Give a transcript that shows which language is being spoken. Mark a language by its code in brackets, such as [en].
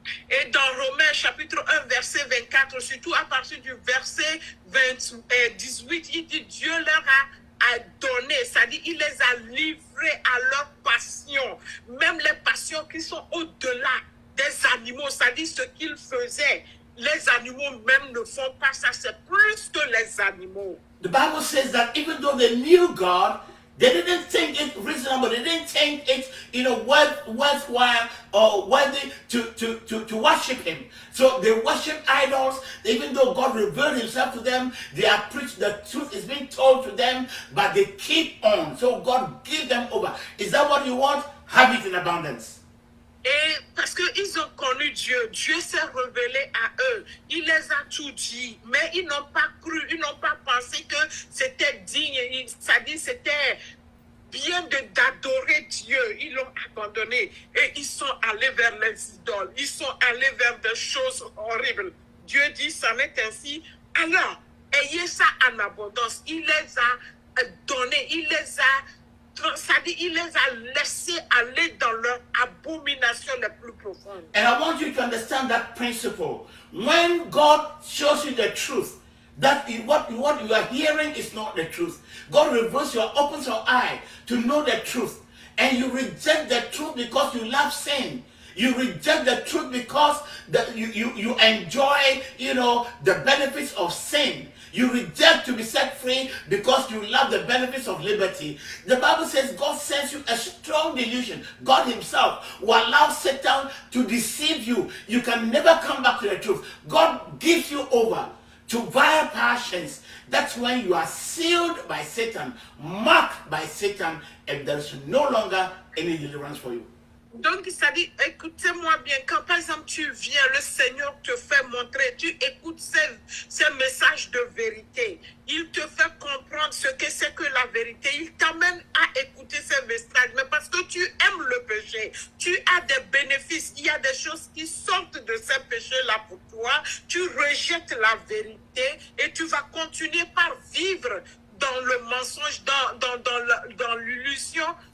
[fr] Et dans Romains chapitre 1, verset 24, surtout à partir du verset 18, il dit Dieu leur a donné, c'est-à-dire il les a livrés à leurs passions, même les passions qui sont au-delà des animaux, c'est-à-dire ce qu'ils faisaient. Les animaux même ne font pas ça, c'est plus que les animaux. [en] The Bible says that even though they knew God, they didn't think it reasonable, they didn't think it, you know, worthwhile or worthy to worship him. So they worship idols, even though God revealed himself to them, they are preached, the truth is being told to them, but they keep on. So God gave them over. Is that what you want? Have it in abundance. [fr] Et parce qu'ils ont connu Dieu, Dieu s'est révélé à eux, il les a tout dit, mais ils n'ont pas cru, ils n'ont pas pensé que c'était digne, c'est-à-dire c'était bien d'adorer Dieu. Ils l'ont abandonné et ils sont allés vers les idoles, ils sont allés vers des choses horribles. Dieu dit, c'en est ainsi, alors ayez ça en abondance, il les a donné, il les a c'est-à-dire, il les a laissés aller dans leur abomination la plus profonde. [en] And I want you to understand that principle. When God shows you the truth, that what you are hearing is not the truth, God reveals your opens your eye to know the truth, and you reject the truth because you love sin. You reject the truth because that you enjoy, you know, the benefits of sin. You reject to be set free because you love the benefits of liberty. The Bible says God sends you a strong delusion. God himself will allow Satan to deceive you. You can never come back to the truth. God gives you over to vile passions. That's when you are sealed by Satan, marked by Satan, and there's no longer any deliverance for you. [fr] Donc, ça dit, écoutez-moi bien, quand par exemple tu viens, le Seigneur te fait montrer, tu écoutes ce message de vérité, il te fait comprendre ce que c'est que la vérité, il t'amène à écouter ce message, mais parce que tu aimes le péché, tu as des bénéfices, il y a des choses qui sortent de ce péché-là pour toi, tu rejettes la vérité et tu vas continuer par vivre dans le mensonge, dans l'illusion.